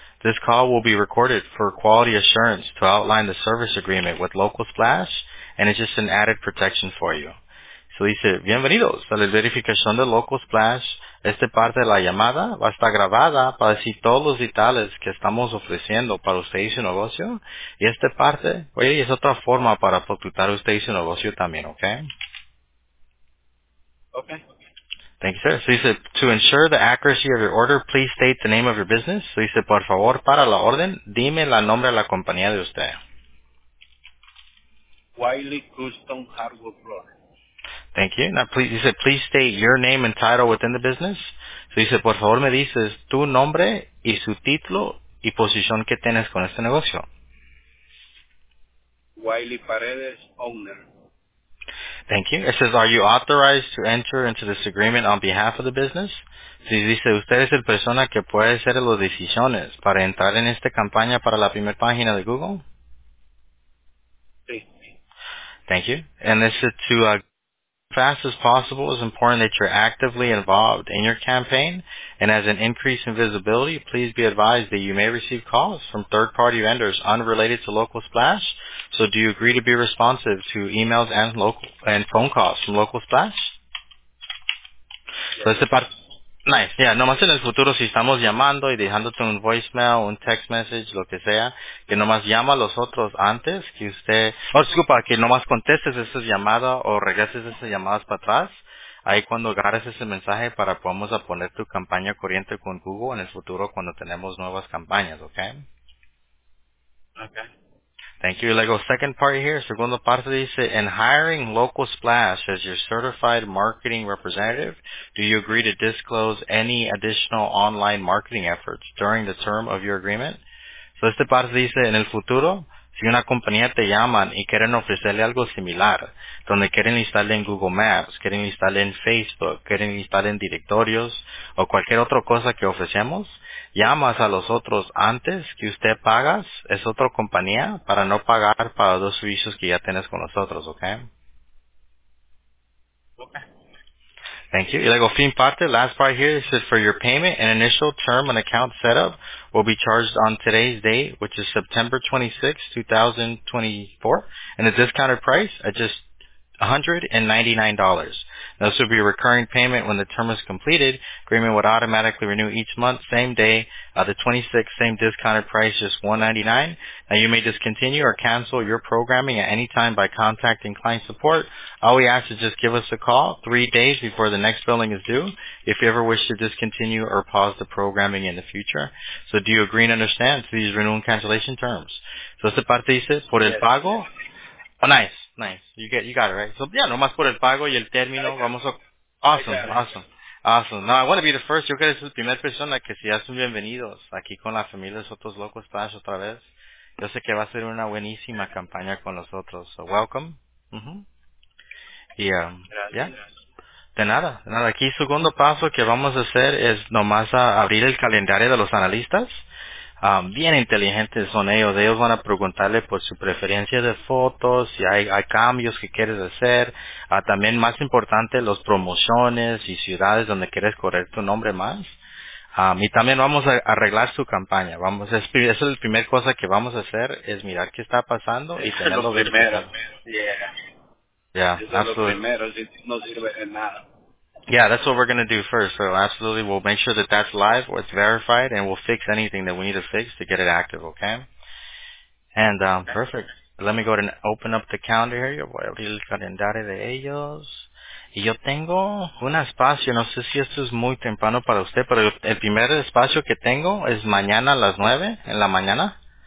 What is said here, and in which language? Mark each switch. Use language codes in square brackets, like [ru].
[en] This call will be recorded for quality assurance to outline the service agreement with Local Splash, and it's just an added protection for you. [es] So dice, bienvenidos a la verificación de Local Splash. Esta parte de la llamada va a estar grabada para decir todos los detalles que estamos ofreciendo para usted y su negocio. Y esta parte, oye, es otra forma para facultar usted y su negocio también, ¿ok? [en] Ok. Thank you, sir. So [es] dice, [en] to ensure the accuracy of your order, please state the name of your business. [es] So dice, por favor, para la orden, dime el nombre de la compañía de usted. [en] Wiley Custom Hardwood Floor. Thank you. Now, please, he said, please state your name and title within the business. So he said, [es] por favor, me dices tu nombre y su título y posición que tienes con este negocio. [en] Wiley Paredes, owner. Thank you. It says, are you authorized to enter into this agreement on behalf of the business? So he [es] dice, usted es el persona que puede hacer las decisiones para entrar en esta campaña para la primera página de Google. Sí. [en] Thank you. And this is to, fast as possible, it's important that you're actively involved in your campaign, and as an increase in visibility, please be advised that you may receive calls from third-party vendors unrelated to Local Splash, so do you agree to be responsive to emails and local and phone calls from Local Splash? Yeah. So part, nice. [es] Yeah, nomás en el futuro si estamos llamando y dejándote un voicemail, un text message, lo que sea, que nomás llama a los otros antes que usted, disculpa, que nomás contestes esa llamada o regreses esas llamadas para atrás, ahí cuando agarres ese mensaje para podamos poner tu campaña corriente con Google en el futuro cuando tenemos nuevas campañas, ¿ok? [en] Ok. Thank you. Luego, second part here, [es] segundo parte dice, [en] in hiring Local Splash as your certified marketing representative, do you agree to disclose any additional online marketing efforts during the term of your agreement? [es] So, esta parte dice, en el futuro, si una compañía te llaman y quieren ofrecerle algo similar, donde quieren instalarle en Google Maps, quieren instalarle en Facebook, quieren instalarle en directorios, o cualquier otra cosa que ofrecemos, llamas a los otros antes que usted pagas, es otra compañía, para no pagar para los dos servicios que ya tienes con nosotros, ¿ok? [en] Ok. Thank you. [es] Y luego, fin parte, [en] last part here, it says, for your payment, an initial term and account setup will be charged on today's date, which is September 26, 2024, and the discounted price at just $199. This will be a recurring payment when the term is completed. Agreement would automatically renew each month, same day, the 26th, same discounted price, just $199. Now you may discontinue or cancel your programming at any time by contacting client support. All we ask is just give us a call 3 days before the next billing is due if you ever wish to discontinue or pause the programming in the future. So do you agree and understand these renewal and cancellation terms? So [es] esta parte dice, por el pago. [en] Oh, nice. Nice. You got it, right? So, yeah, [es] nomás por el pago y el término, vamos a... [en] Awesome. Now, I want to be the first. [es] Yo quiero ser la primera persona que se hacen bienvenidos aquí con la familia de Sotos Locos Splash otra vez. Yo sé que va a ser una buenísima campaña con nosotros. [en] So, welcome. [es] Mm-hmm. De nada. Aquí, segundo paso que vamos a hacer es nomás a abrir el calendario de los analistas. Bien inteligentes son ellos. Ellos van a preguntarle por su preferencia de fotos, si hay cambios que quieres hacer. También más importante, las promociones y ciudades donde quieres correr tu nombre más. Y también vamos a arreglar su campaña. Vamos, eso es la primera cosa que vamos a hacer, es mirar qué está pasando y eso tenerlo lo primero. Verificado. Yeah, eso es lo primero, si no sirve de nada. [en] Yeah, that's what we're going to do first. So absolutely, we'll make sure that that's live or it's verified, and we'll fix anything that we need to fix to get it active, okay? And perfect. Let me go ahead and open up the calendar here. [es] Yo voy a abrir el calendario de ellos. Y yo tengo un espacio. No sé si esto es muy temprano para usted, pero el primer espacio que tengo es mañana a las 9 en la mañana.